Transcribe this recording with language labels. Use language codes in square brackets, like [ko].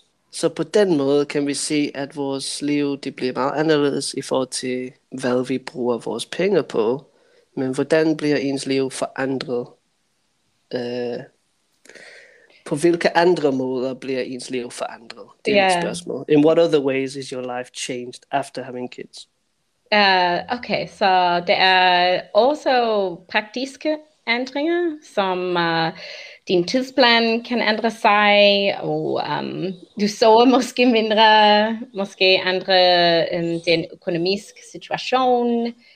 [da] Så på den måde kan vi se, at vores liv det bliver meget anderledes i forhold til, hvad vi bruger vores penge på. Men hvordan bliver ens liv forandret? På hvilke andre måder bliver ens liv forandret? Det er et spørgsmål. [en] In what other ways is your life changed after having kids? [da] Okay, så det er også praktiske ændringer, som din tidsplan kan ændre sig, og du sover måske mindre, måske ændre din økonomiske situation.